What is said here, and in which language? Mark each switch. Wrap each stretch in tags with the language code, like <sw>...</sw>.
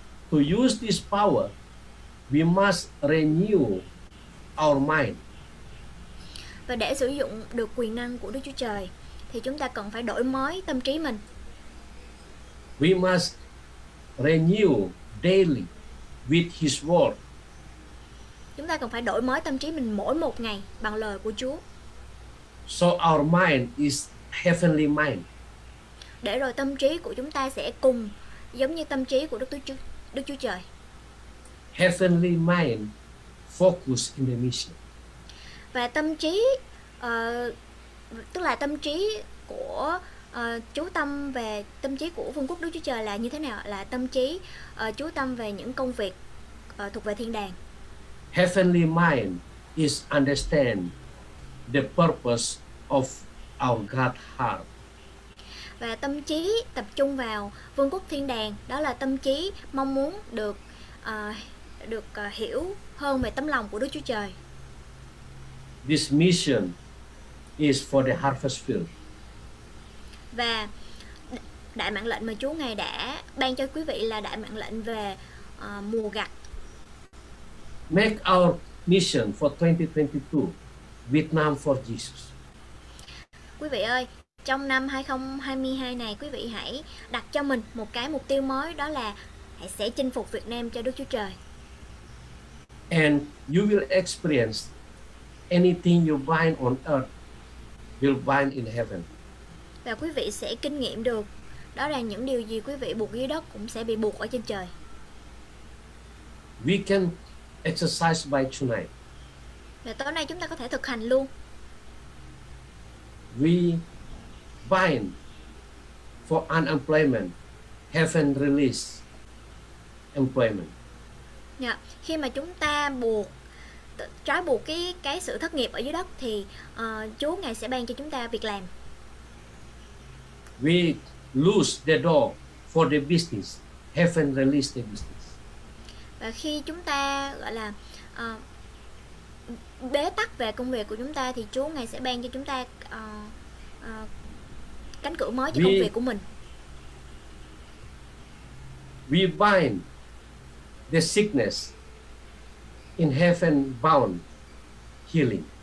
<en>To use this power, we must renew our mind.</en> <vi>Và để sử dụng được quyền năng của Đức Chúa Trời thì chúng ta cần phải đổi mới tâm trí mình.</vi> <en>We must renew daily with his word.</en> <vi>Chúng ta cần phải đổi mới tâm trí mình mỗi một ngày bằng lời của Chúa.</vi> <en>So our mind is heavenly mind.</en> <vi>Để rồi tâm trí của chúng ta sẽ cùng giống như tâm trí của Đức Chúa Trời.</vi> <en>Heavenly mind focus in the mission.</en> <vi>Và tâm trí tức là tâm trí của chú tâm về tâm trí của vương quốc Đức Chúa Trời là như thế nào? Là tâm trí chú tâm về những công việc thuộc về thiên đàng.</vi> <en>Heavenly mind is understand the purpose of our God heart.</en> <vi>Và tâm trí tập trung vào vương quốc thiên đàng, đó là tâm trí mong muốn được hiểu hơn về tấm lòng của Đức Chúa Trời.</vi> <en>This mission is for the harvest field.</en> <vi>Và đại mạng lệnh mà Chúa ngài đã ban cho quý vị là đại mạng lệnh về mùa gặt.</vi> <en>Make our mission for 2022 Vietnam for Jesus.</en> <vi>Quý vị ơi, trong năm 2022 này quý vị hãy đặt cho mình một cái mục tiêu mới, đó là hãy sẽ chinh phục Việt Nam cho Đức Chúa Trời.</vi> <en>And you will experience anything you bind on earth will bind in heaven.</en> <vi>Và quý vị sẽ kinh nghiệm được đó là những điều gì quý vị buộc dưới đất cũng sẽ bị buộc ở trên trời.</vi> <en>We can exercise by tonight.</en> <vi>Và tối nay chúng ta có thể thực hành luôn.</vi> <en>We bind for unemployment, heaven release employment.</en> <vi>Dạ, khi mà chúng ta buộc trói buộc cái sự thất nghiệp ở dưới đất thì Chúa ngài sẽ ban cho chúng ta việc làm.</vi> <en>We lose the door for the business, heaven release the business.</en> <vi>Và khi chúng ta gọi là bế tắc về công việc của chúng ta thì Chúa ngài sẽ ban cho chúng ta cánh cửa mới cho công việc của mình.</vi> <en>We bind the sickness in heaven bound healing.</en>